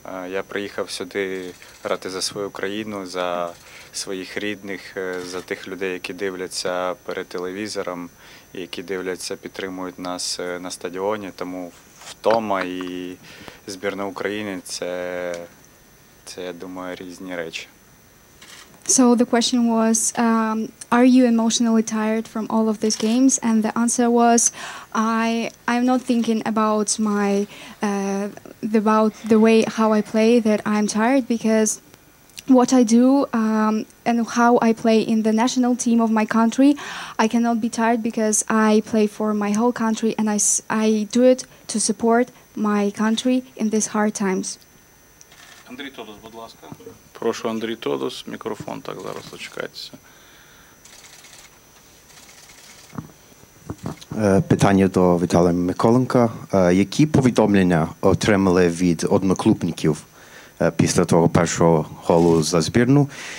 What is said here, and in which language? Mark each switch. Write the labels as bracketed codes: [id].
[uk] Я приїхав сюди грати за свою країну, за своїх рідних, за тих людей, які дивляться перед телевізором, які дивляться, підтримують нас на стадіоні, тому втома і збірна України це, я думаю, різні речі. [en] So the question was, are you emotionally tired from all of these games? And the answer was, I'm not thinking about my about the way how I play that I'm tired, because what I do and how I play in the national team of my country, I cannot be tired because I play for my whole country and I do it to support my country in these hard times. [uk] Андрій Тодос, будь ласка. Прошу, Андрій Тодос, мікрофон, так, зараз зачекайтеся. Питання до Віталія Миколенка. Які повідомлення отримали від одноклубників після того першого голу за збірну?